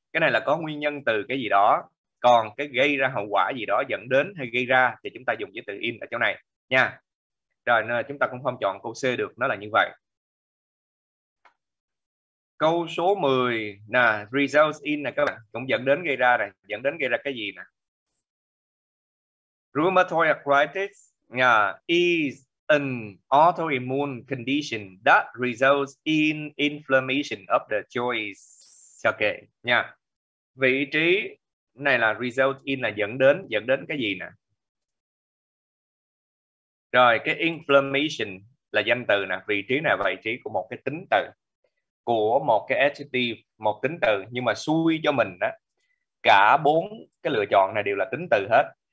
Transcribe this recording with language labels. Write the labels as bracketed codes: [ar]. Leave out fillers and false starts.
[vi] Cái này là có nguyên nhân từ cái gì đó, còn cái gây ra hậu quả gì đó, dẫn đến hay gây ra thì chúng ta dùng giới từ in ở chỗ này nha. Rồi, nên là chúng ta cũng không chọn câu C được, nó là như vậy. Câu số 10 nè, results in nè các bạn, cũng dẫn đến gây ra này, dẫn đến gây ra cái gì nè? [en] Rheumatoid arthritis is an autoimmune condition that results in inflammation of the joints. [vi] Ok nha. Vị trí này là results in là dẫn đến cái gì nè? Rồi, cái inflammation là danh từ nè, vị trí này là vị trí của một cái tính từ, của một cái adjective, một tính từ. Nhưng mà xui cho mình á, cả bốn cái lựa chọn này đều là tính từ hết.